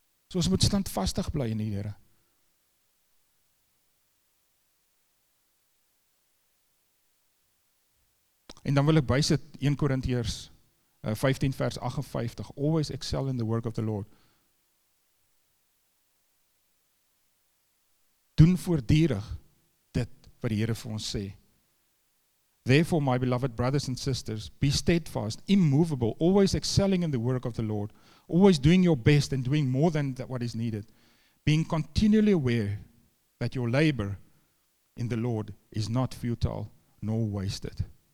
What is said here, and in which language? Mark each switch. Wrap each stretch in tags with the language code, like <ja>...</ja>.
<af>So ons moet standvastig bly in die Here. En dan wil ek bysit 1 Korintiërs 15 vers 58.</af> <en>Always excel in the work of the Lord.</en> <af>Doen voortdurig dit wat die Here vir ons sê.</af> <en>Therefore, my beloved brothers and sisters, be steadfast, immovable, always excelling in the work of the Lord, always doing your best and doing more than what is needed, being continually aware that your labor in the Lord is not futile nor wasted.</en>